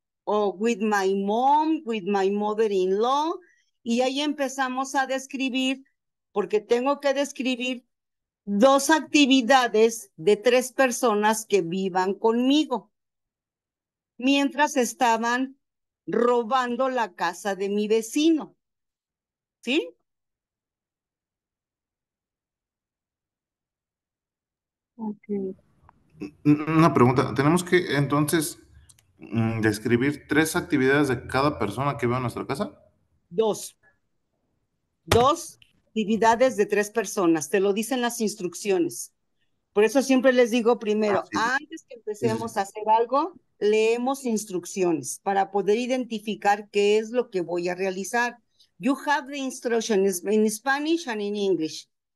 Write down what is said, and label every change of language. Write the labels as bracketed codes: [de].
[en] O with my mom, with my mother-in-law. [es] Y ahí empezamos a describir, porque tengo que describir dos actividades de tres personas que vivan conmigo. Mientras estaban robando la casa de mi vecino. ¿Sí? [en] Okay. [es] Una pregunta. ¿Tenemos que entonces describir tres actividades de cada persona que vive en nuestra casa? Dos. Dos actividades de tres personas. Te lo dicen las instrucciones. Por eso siempre les digo primero, antes que Sí. empecemos a hacer algo, leemos instrucciones para poder identificar qué es lo que voy a realizar. [en] You have the instructions in Spanish and in English.